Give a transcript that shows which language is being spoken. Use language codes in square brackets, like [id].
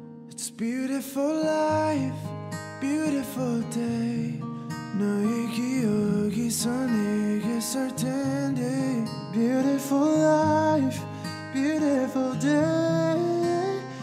[en] It's beautiful life, beautiful day. [ko] 너의 기억에서 내게 설 텐데. [en] Beautiful life, beautiful day.